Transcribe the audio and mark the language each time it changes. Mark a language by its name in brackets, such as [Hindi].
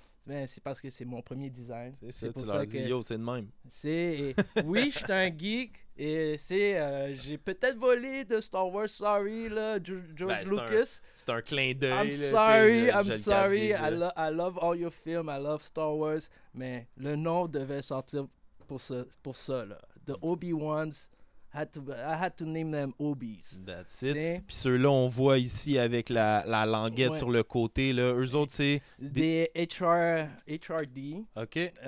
[French] Mais c'est parce que c'est mon premier design. C'est ça, pour tu ça leur que... dis, yo, c'est de même. C'est... Oui, je suis un geek. Et c'est, j'ai peut-être volé de Star Wars, sorry, là, George ben, Lucas. C'est un clin d'œil. [English] I'm sorry. I love all your films. I love Star Wars. [French] Mais le nom devait sortir pour ça, là. [English] The Obi-Wans. I had to name them Obis. That's it. [French] Puis ceux-là, on voit ici avec la languette sur le côté. Là. Eux autres, c'est... Des HRD. OK.